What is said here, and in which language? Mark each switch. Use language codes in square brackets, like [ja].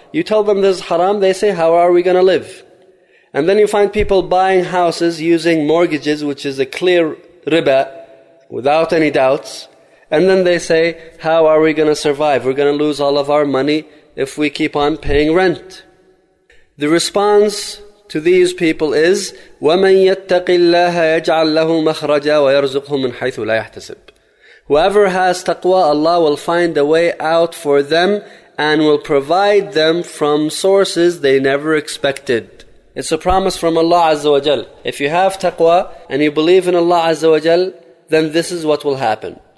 [en] You tell them this is haram, they say, how are we going to live? And then you find people buying houses using mortgages, which is a clear riba, without any doubts. And then they say, how are we going to survive? We're going to lose all of our money if we keep on paying rent. The response to these people is, [ar] وَمَن يَتَّقِ اللَّهَ يَجْعَلْ لَهُ مَخْرَجًا وَيَرْزُقْهُ مِنْ حَيْثُ لَا يَحْتَسِبْ. [en] Whoever has taqwa, Allah will find a way out for them and will provide them from sources they never expected. It's a promise from Allah Azza wa Jal. If you have taqwa and you believe in Allah Azza wa Jal, then this is what will happen.